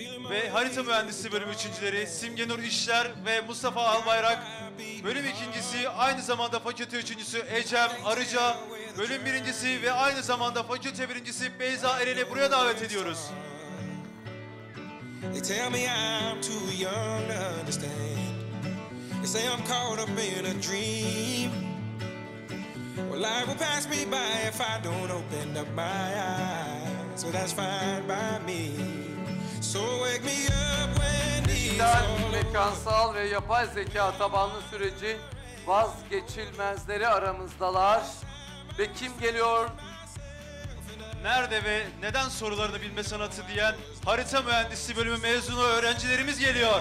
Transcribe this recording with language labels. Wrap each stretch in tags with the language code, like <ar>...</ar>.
<tr>Ve harita mühendisi bölümü üçüncüleri Simge Nur İşler ve Mustafa Albayrak. Bölüm ikincisi aynı zamanda fakülte üçüncüsü Ecem Arıca. Bölüm birincisi ve aynı zamanda fakülte birincisi Beyza Eren'i buraya davet ediyoruz.</tr> <en>They tell me I'm too young to understand. They say I'm caught up in a dream. Well, life will pass me by if I don't open up my eyes. So that's fine by me. So wake me up when it's all over.</en> <tr>Dijital, mekansal ve yapay zeka tabanlı süreci vazgeçilmezleri aramızdalar. Ve kim geliyor? Nerede ve neden sorularını bilme sanatı diyen harita mühendisliği bölümü mezunu öğrencilerimiz geliyor.</tr>